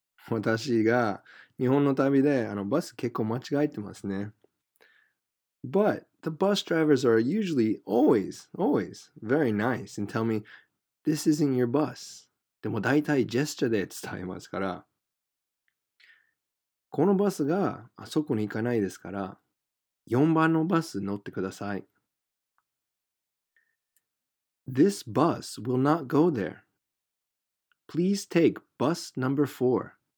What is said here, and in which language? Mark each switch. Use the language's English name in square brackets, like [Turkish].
[Japanese] 私が日本の旅でバス結構間違えてますね。 [English] But the bus drivers are usually always very nice and tell me, this isn't your bus. [Japanese] でも大体ジェスチャーで伝えますから。このバスがあそこに行かないですから、4番のバス乗ってください。 [English] This bus will not go there. Please take bus number 4.